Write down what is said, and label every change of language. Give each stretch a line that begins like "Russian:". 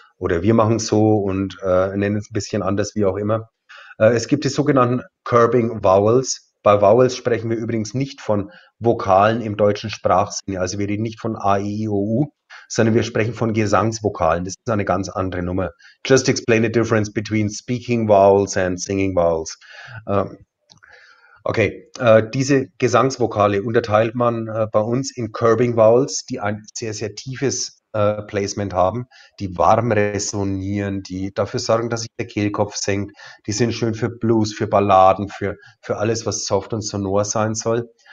German: Oder wir machen so und nennen es ein bisschen anders, wie auch immer. Es gibt die sogenannten Curbing Vowels. Bei Vowels sprechen wir übrigens nicht von Vokalen im deutschen Sprachsinne. Also wir reden nicht von A, I, O, U, sondern wir sprechen von Gesangsvokalen. Das ist eine ganz andere Nummer.
English: Just explain the difference between speaking vowels and singing vowels.
German: Okay, diese Gesangsvokale unterteilt man bei uns in Curbing Vowels, die ein sehr, sehr tiefes Placement haben, die warm resonieren, die dafür sorgen, dass sich der Kehlkopf senkt. Die sind schön für Blues, für Balladen, für alles, was soft und sonor sein soll.